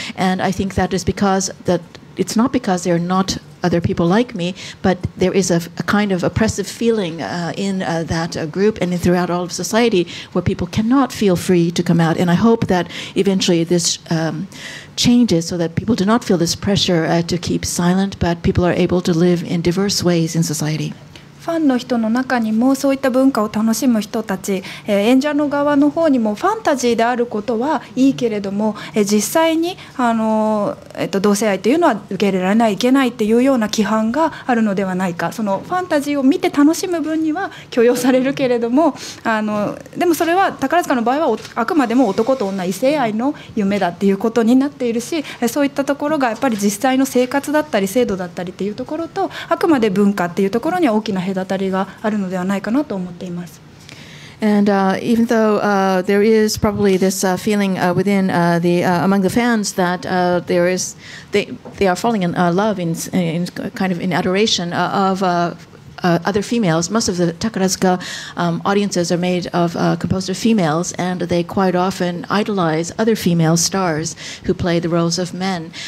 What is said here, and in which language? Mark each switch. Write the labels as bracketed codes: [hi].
[en] And I think that is because that it's not because they're not other people like me, but there is a kind of oppressive feeling in that group and throughout all of society where people cannot feel free to come out. And I hope that eventually this changes so that people do not feel this pressure to keep silent, but people are able to live in diverse ways in society. [ja] ファンの人の中にもそういった文化を楽しむ人たち、演者の側の方にもファンタジーであることはいいけれども、実際に同性愛というのは受け入れられないいけないというような規範があるのではないか、そのファンタジーを見て楽しむ分には許容されるけれども、でもそれは宝塚の場合はあくまでも男と女異性愛の夢だっていうことになっているし、そういったところがやっぱり実際の生活だったり制度だったりっていうところとあくまで文化っていうところには大きな隔たりがあるのではないかなと思っています。 [en] And even though there is probably this feeling within the among the fans that there is they are falling in love in kind of in adoration of other females, most of the Takarazuka audiences are made of composed of females, and they quite often idolize other female stars who play the roles of men.